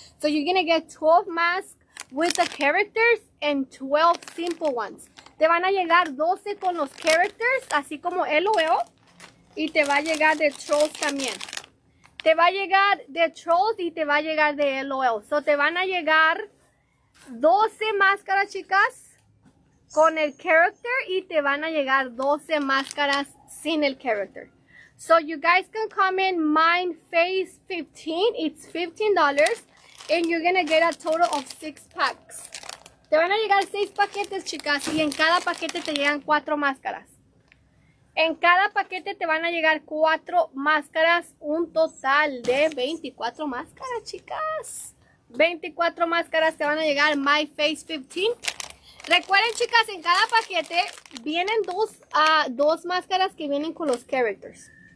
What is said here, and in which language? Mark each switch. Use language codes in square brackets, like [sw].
[en] So you're gonna get 12 masks with the characters and 12 simple ones. [es] Te van a llegar 12 con los characters, así como LOL. Y te va a llegar de Trolls también. Te va a llegar de Trolls y te va a llegar de LOL. So, te van a llegar 12 máscaras, chicas, con el character. Y te van a llegar 12 máscaras sin el character. [en] So, you guys can come in Mind Phase 15. It's $15. And you're going to get a total of 6 packs. [es] Te van a llegar 6 paquetes, chicas, y en cada paquete te llegan 4 máscaras. En cada paquete te van a llegar 4 máscaras, un total de 24 máscaras, chicas. 24 máscaras te van a llegar, My Face 15. Recuerden, chicas, en cada paquete vienen dos máscaras que vienen con los characters.